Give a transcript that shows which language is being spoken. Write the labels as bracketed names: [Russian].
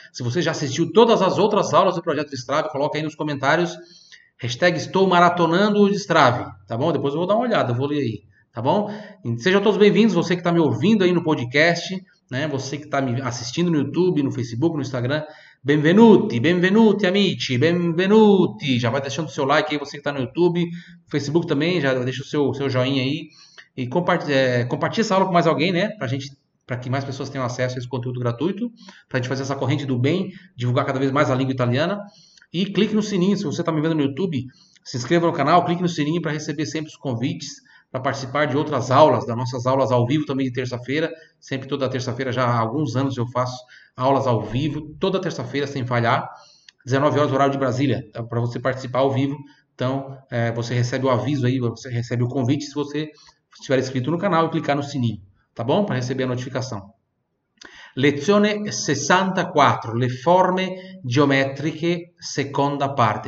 [Portuguese] Se você já assistiu todas as outras aulas do Projeto Destrave, coloca aí nos comentários, hashtag estou maratonando o Destrave, tá bom? Depois eu vou dar uma olhada, eu vou ler aí, tá bom? Sejam todos bem-vindos, você que está me ouvindo aí no podcast, né? Você que está me assistindo no YouTube, no Facebook, no Instagram. [Italian] Benvenuti, benvenuti amici, benvenuti. [Portuguese] Já vai deixando o seu like aí, você que está no YouTube, Facebook também, já deixa o seu joinha aí e compartilha essa aula com mais alguém, né? Para que mais pessoas tenham acesso a esse conteúdo gratuito, para a gente fazer essa corrente do bem, divulgar cada vez mais a língua italiana. E clique no sininho, se você está me vendo no YouTube, se inscreva no canal, clique no sininho para receber sempre os convites para participar de outras aulas, das nossas aulas ao vivo também de terça-feira. Sempre toda terça-feira, já há alguns anos eu faço aulas ao vivo, toda terça-feira, sem falhar, 19 horas, horário de Brasília, para você participar ao vivo. Então, você recebe o aviso aí, você recebe o convite se você estiver inscrito no canal e clicar no sininho, tá bom? Para receber a notificação. [Italian] Lezione 64, le forme geometriche, seconda parte.